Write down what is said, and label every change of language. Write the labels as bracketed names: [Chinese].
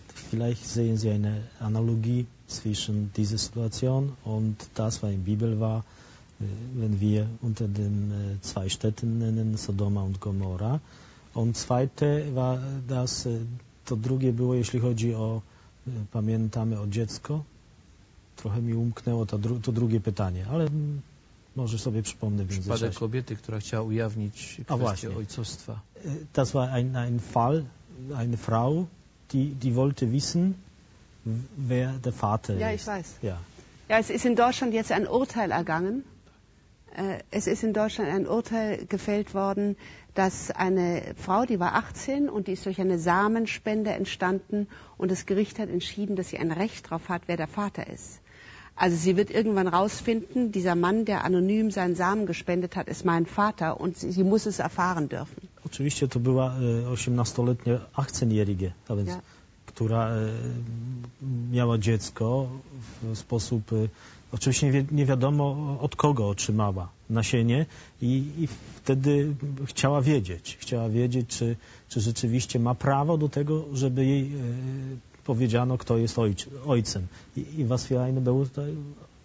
[German] Vielleicht sehen Sie eine Analogie zwischen dieser Situation und das, was in Bibel war, wenn wir unter den zwei Städten nennen, Sodoma und Gomorra. Und zweite war das. [Polish] To drugie było, jeśli chodzi o, pamiętamy o dziecko. Trochę mi umknęło to drugie pytanie, ale może sobie przypomnę w międzyczasie. Przypadek kobiety, która chciała ujawnić kwestię ojcostwa. [German] Das war ein Fall, eine Frau, die wollte wissen, wer der Vater ist. Ja, ich weiß. Ja, es ist in Deutschland jetzt ein Urteil ergangen. Es ist in Deutschland ein Urteil gefällt worden, dass eine Frau, die war 18 und die ist durch eine Samenspende entstanden, und das Gericht hat entschieden, dass sie ein Recht darauf hat, wer der Vater ist. Also sie wird irgendwann rausfinden, dieser Mann, der anonym seinen Samen gespendet hat, ist mein Vater, und sie muss es erfahren dürfen. [Polish] Oczywiście to była 18-letnia, [German] 18-jährige, [Polish] a więc, ja, która miała dziecko w sposób... Oczywiście nie wiadomo, od kogo otrzymała nasienie, i wtedy chciała wiedzieć, czy rzeczywiście ma prawo do tego, żeby jej powiedziano, kto jest ojcem. [German] I was für eine Beurteilung?